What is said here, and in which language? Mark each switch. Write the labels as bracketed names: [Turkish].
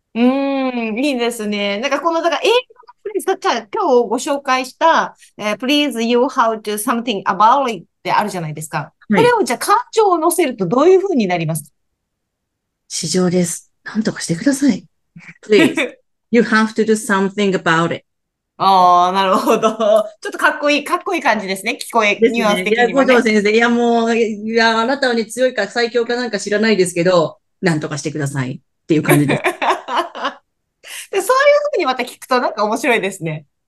[Japanese] いいですね。なんかこの、だから英語のフレ今日ご紹介した、 Please you how to something about it ってあるじゃないですか。これをじゃあ感情を乗せるとどういう風になりますか？市場です。なんとかしてください。 [English] Please, you have to do something about it. [Japanese] ああ、なるほど。ちょっとかっこいい、かっこいい感じですね。聞こえ、ですニュアンス的ね。いや、にもね。五条先生、いや、もう、いや、あなたはね、強いか最強かなんか知らないですけど、なんとかしてくださいっていう感じです。で、そういうふうにまた聞くとなんか面白いですね。